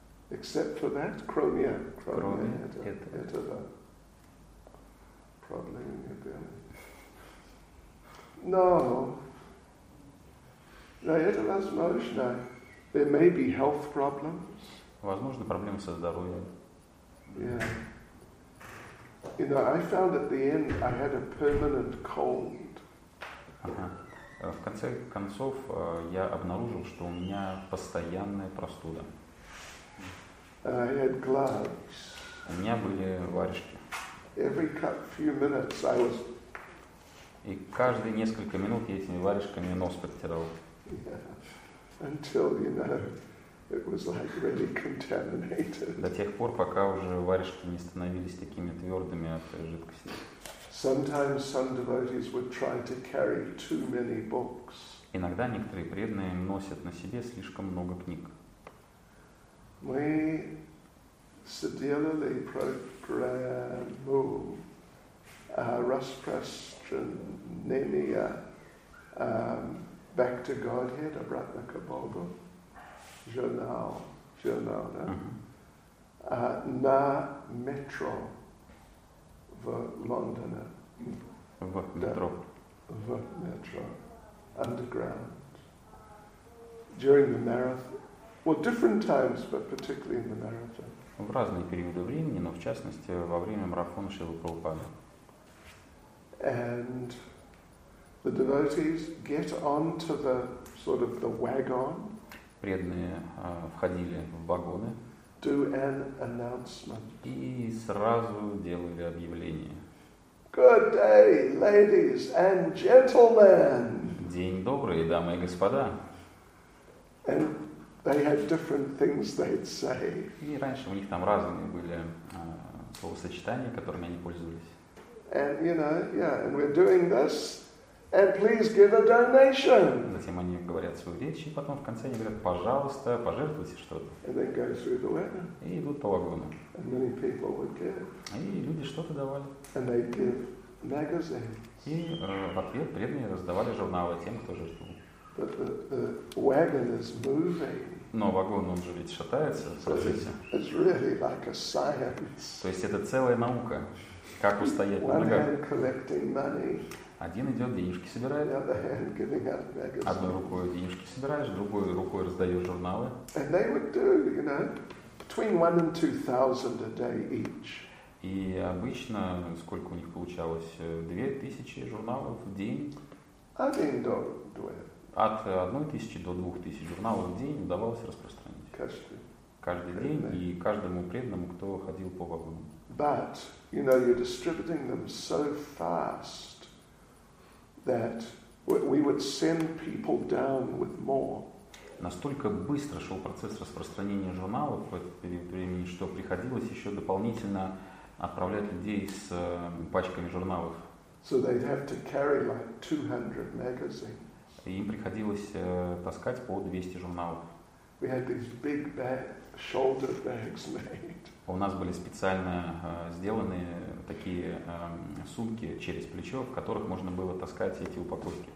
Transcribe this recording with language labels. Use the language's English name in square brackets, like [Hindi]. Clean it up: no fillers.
[English] Except for that, [Russian] кроме этого. [English] Problem in your belly. No. [Russian] Но это возможно. [English] There may be health problems. [Russian] Возможно, проблемы со здоровьем. [English] Yeah. You know, I found at the end I had a permanent cold. [Russian] В конце концов я обнаружил, что у меня постоянная простуда. [English] I had gloves. [Russian] У меня были варежки. [English] Every few minutes I was... [Russian] И каждые несколько минут я этими варежками нос подтирал. [English] Yeah. Until, you know, it was like really contaminated. [Russian] До тех пор, пока уже варежки не становились такими твердыми от жидкости. [English] Sometimes some devotees would try to carry too many books. [Russian] Иногда некоторые преданные носят на себе слишком много книг. Мы сделали программу распространения Back to Godhead, обратно к Богу, журнал, да? На метро в Лондоне. В метро. В метро. [English] Underground. During the marathon. Well, different times, but particularly in the marathon. [Russian] В разные периоды времени, но в частности во время марафона Шрилы Прабхупады. [English] And the devotees get onto the sort of the wagon. [Russian] Преданные входили в вагоны. [English] Do an announcement. [Russian] И сразу делали объявление. [English] Good day, ladies and gentlemen. [Russian] День добрый, дамы и господа. [English] And They had different things they'd say. [Russian] И раньше у них там разные были словосочетания, которыми они пользовались. [English] And you know, yeah, and we're doing this, and please give a donation. [Russian] Затем они говорят свою речь, и потом в конце они говорят: пожалуйста, пожертвуйте что-то. [English] And then go through the wagon. [Russian] И идут по вагону. [English] And many people would give. [Russian] И люди что-то давали. [English] And they'd give magazines. [Russian] И в ответ преданные раздавали журналы тем, кто жертвовал. [English] But the wagon is moving. [Russian] Но вагон, он же ведь шатается, скажите. [English] It's really like a science. [Russian] То есть это целая наука, как устоять на ногах. [English] One hand collecting money. [Russian] Один идет, денежки собирает. [English] The other hand giving out magazines. [Russian] Одной рукой денежки собираешь, другой рукой раздаешь журналы. [English] And they would do, you know, between 1,000 and 2,000 a day each. [Russian] И обычно, сколько у них получалось, 2000 журналов в день? От 1000 до 2000 журналов в день удавалось распространить. Каждый день и каждому преданному, кто ходил по вагонам. [English] But, you know, you're distributing them so fast that we would send people down with more. [Russian] Настолько быстро шел процесс распространения журналов в этот период времени, что приходилось еще дополнительно отправлять людей с пачками журналов. [English] So they'd have to carry like 200 magazines. [Russian] И им приходилось таскать по 200 журналов. [English] We had these big bags, shoulder bags made. [Russian] У нас были специально сделаны такие сумки через плечо, в которых можно было таскать эти упаковки.